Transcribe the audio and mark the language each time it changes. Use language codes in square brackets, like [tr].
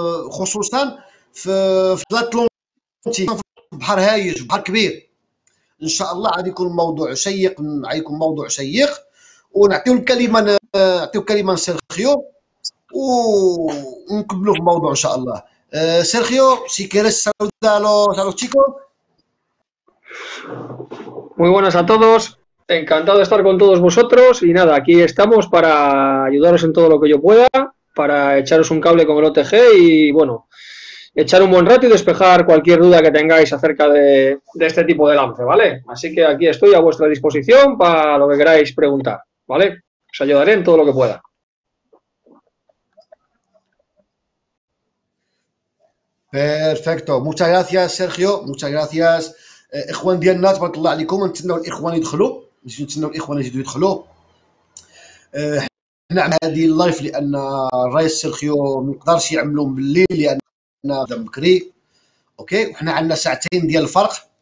[ar] خصوصا في الاتلونتي بحر هايج بحر كبير ان شاء الله غادي يكون الموضوع شيق غيكون موضوع شيق ونعطيو الكلمه نعطيو الكلمه لسيرخيو ونكملوا في الموضوع ان شاء الله. [es] سيرخيو سي كيريس سالودا لو تشيكو. Muy buenas a todos, encantado de estar con todos vosotros y nada, aquí estamos para ayudaros en todo lo que yo pueda, para echaros un cable con el OTG y bueno, echar un buen rato y despejar cualquier duda que tengáis acerca de este tipo de lance, ¿vale? Así que aquí estoy a vuestra disposición para lo que queráis preguntar, ¿vale? Os ayudaré en todo lo que pueda. Perfecto, muchas gracias Sergio, muchas gracias. [ar] إخوان ديالنا تبارك الله عليكم نتسناو الإخوان يدخلوا نتسناو الإخوان يزيدوا يدخلوا حنا عملنا هذه اللايف لأن الرئيس سيرخيو ما يقدرش يعملهم بالليل لأن بدا بكري أوكي وحنا عندنا ساعتين ديال الفرق